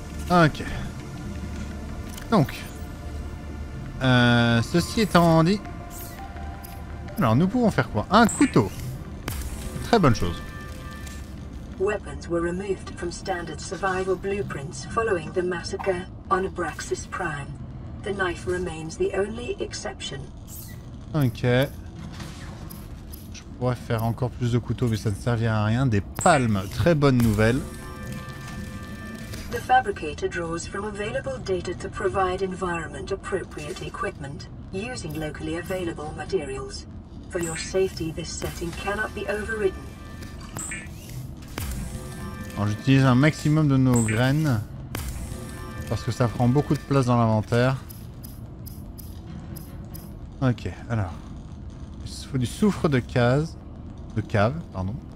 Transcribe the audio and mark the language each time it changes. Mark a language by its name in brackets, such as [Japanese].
[French] Ok. Donc, ceci étant dit, alors nous pouvons faire quoi? Un couteau. Très bonne chose. [English] Weapons were removed from standard survival blueprints following the massacre on Abraxas Prime. The knife remains the only exception. Ok. [French] Je pourrais faire encore plus de couteaux, mais ça ne servira à rien. Des palmes, très bonne nouvelle. [English] The fabricator draws from available data to provide environment appropriate equipment using locally available materials. For your safety, this setting cannot be overridden. [French] Alors j'utilise un maximum de nos graines parce que ça prend beaucoup de place dans l'inventaire. Ok, alors il faut du soufre de case, de cave, pardon.